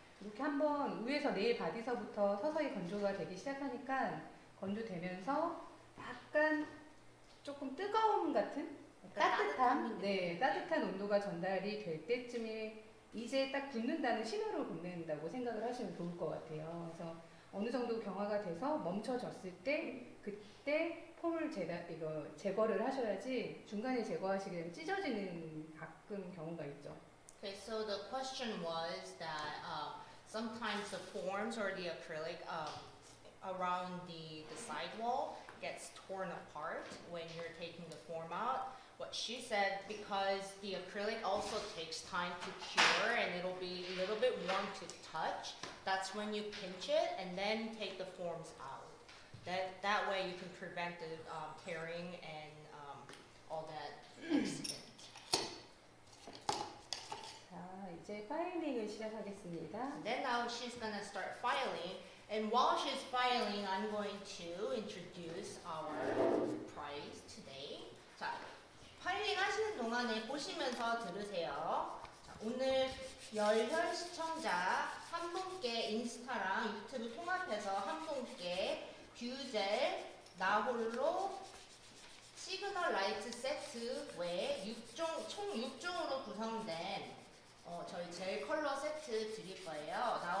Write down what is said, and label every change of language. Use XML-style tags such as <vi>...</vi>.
<ko>이렇게 한번 위에서 네일 바디서부터 서서히 건조가 되기 시작하니까 건조되면서 약간 조금 뜨거움 같은 따뜻한 온도가 전달이 될 때쯤에 이제 딱 굳는다는 신호를 보낸다고 생각을 하시면 좋을 것 같아요. 그래서 어느 정도 경화가 돼서 멈춰졌을 때 그때 폼을 제거를 하셔야지 중간에 제거하시게 되면 찢어지는 가끔 경우가 있죠.</ko> <en>Okay, so the question was that sometimes the forms or the acrylic around the sidewall gets torn apart when you're taking the form out. What she said, because the acrylic also takes time to cure and it'll be a little bit warm to touch, that's when you pinch it and then take the forms out. That way you can prevent the tearing and all that accident.</en> <ko>자, 이제 파일링을 시작하겠습니다.</ko> <en>Then now she's gonna start filing. And while she's filing, I'm going to introduce our prize today.</en> <ko>자, 파일링 하시는 동안에 보시면서 들으세요. 자, 오늘 열혈 시청자 한 분께 인스타랑 유튜브 통합해서 한 분께 뷰젤 나홀로 시그널 라이트 세트 외에 6종, 총 6종으로 구성된 저희 젤 컬러 세트 드릴 거예요.</ko>